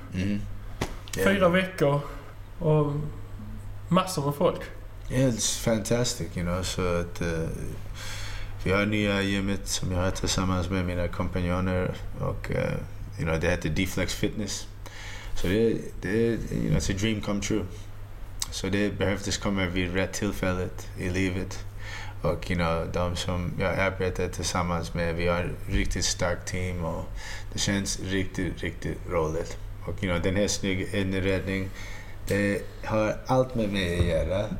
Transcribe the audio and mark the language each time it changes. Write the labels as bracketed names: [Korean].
[Swedish] Mm. Fyra veckor och massor med folk. [English] It's fantastic, you know. [Swedish] Så att vi har nya gymmet som jag har tillsammans med mina kompanjoner och [English] you know, [Swedish] det heter Deflex Fitness. Så det [English] you know, it's a dream come true. [Swedish] Så det behövdes komma vid rätt tillfället i livet. Och [English] you know, [Swedish] de som jag arbetar tillsammans med, vi har ett riktigt starkt team och det känns riktigt, riktigt roligt. Och [English] you know, [Swedish] den här snygga inredningen, det har allt med mig att göra.